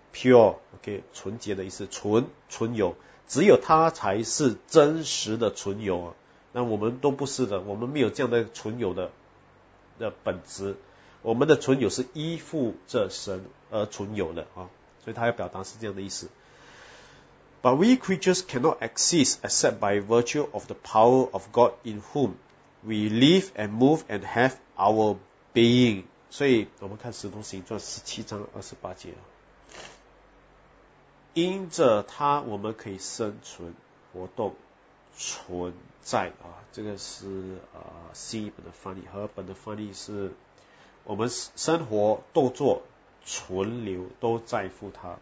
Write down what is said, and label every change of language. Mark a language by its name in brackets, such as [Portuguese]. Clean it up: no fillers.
[Chinese] Pure, OK, 纯洁的意思，存有。只有他才是真实的存有啊。那我们都不是的，我们没有这样的存有的本质。我们的存有是依附着神而存有的啊。所以他要表达是这样的意思。 [English] But we creatures cannot exist except by virtue of the power of God in whom we live and move and have our being. [Chinese] 所以我们看《使徒行传》17章28节，因着他我们可以生存、活动、存在啊。这个是新译本的翻译，和本的翻译是我们生活、动作、存留都在乎他。